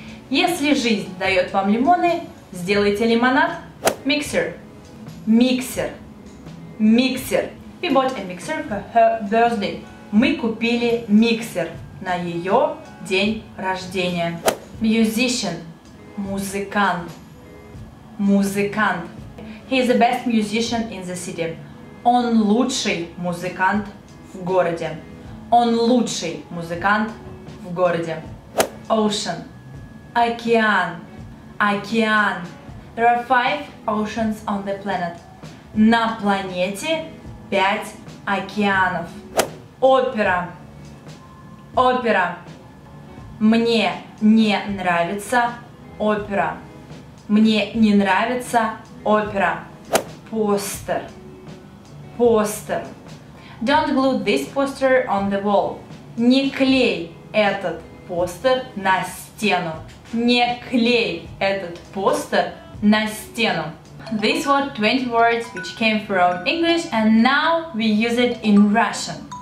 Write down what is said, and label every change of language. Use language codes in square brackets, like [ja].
[ru] Если жизнь дает вам лимоны, сделайте лимонад. [en] Mixer. Mixer. Mixer. We bought a mixer for her birthday. [ru] Мы купили миксер на ее день рождения. Musician. Музыкант. Музыкант. [en] He is the best musician in the city. [ru] Он лучший музыкант в городе. Он лучший музыкант в городе. Ocean. Океан. Океан. [en] There are 5 oceans on the planet. [ru] На планете 5 океанов. [en] Опера. Опера. [ru] Мне не нравится опера. Мне не нравится опера. Постер. Постер. [en] Don't glue this poster on the wall. [ru] Не клей этот постер на стену. Не клей этот постер на стену. [en] These were 20 words which came from English and now we use it in Russian.